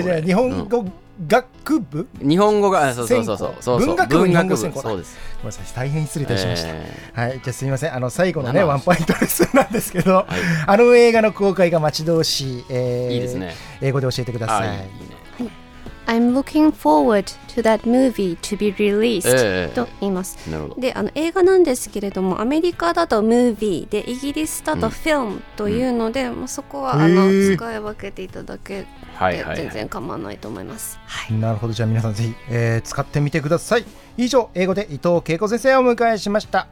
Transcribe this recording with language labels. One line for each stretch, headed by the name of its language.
Japanese: 違う違う、日本語、うん、学部？日本語が、そうそうそうそう、そうそう、文学部、文学部、日本語専攻。ごめんなさい、大変失礼いたしました、はい、じゃあすみません、あの最後のねワンポイントレッスンなんですけど、はい、あの映画の公開が待ち遠しい、いいですね、英語で教えてください。
English: I'm looking forward to that movie to be released
Japanese: と言います。なるほど。で、あの映画なんですけれども、アメリカだとムービーで、イギリスだとフィルムというので、うんうん、もうそこはあの使い分けていただけるはいはいはい、全然構わないと思います、はい、なるほど。じゃあ皆さんぜひ、使ってみてください。以上、英語で伊藤恵子先生をお迎えしました。